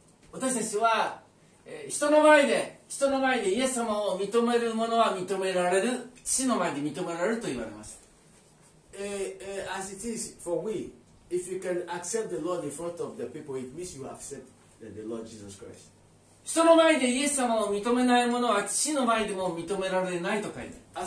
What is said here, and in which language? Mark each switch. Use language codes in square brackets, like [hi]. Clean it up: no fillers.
[ja] 私たちは、人の前でイエス様を認めるものは認められる。死の前で認められると言われます。 [en] As it is for we, if you can accept the Lord in front of the people, it means you accept the Lord Jesus Christ. [ja] 人の前でイエス様を認めないものは死の前でも認められないと書いてある。